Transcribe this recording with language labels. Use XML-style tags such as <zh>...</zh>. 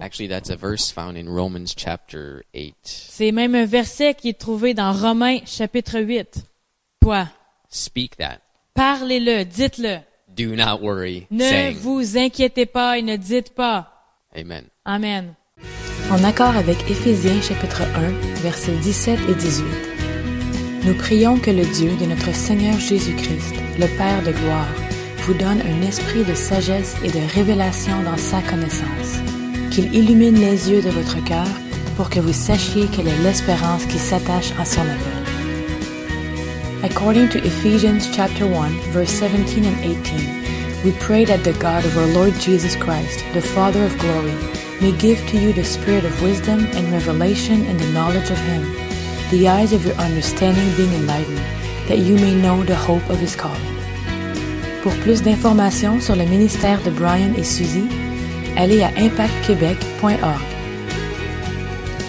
<en>Actually, that's a verse found in Romans chapter 8.</en> <fr>C'est même un verset qui est trouvé dans Romains chapitre 8. Toi,</fr> <en>speak that.</en> <fr>Parlez-le, dites-le.</fr> <en>Do not worry,</en> <fr>ne vous inquiétez pas et ne dites pas. Amen. Amen. En accord avec Éphésiens chapitre 1, versets 17 et 18. Nous prions que le Dieu de notre Seigneur Jésus-Christ, le Père de gloire, vous donne un esprit de sagesse et de révélation dans sa connaissance, qu'il illumine les yeux de votre cœur pour que vous sachiez quelle est l'espérance qui s'attache à son appel.</fr> <en>According to Ephesians chapter 1, verse 17 and 18, we pray that the God of our Lord Jesus Christ, the Father of glory, may give to you the spirit of wisdom and revelation in the knowledge of Him, the eyes of your understanding being enlightened, that you may know the hope of his calling.</en> <fr>Pour plus d'informations sur le ministère de Brian et Suzy, allez à impactquebec.org.</fr>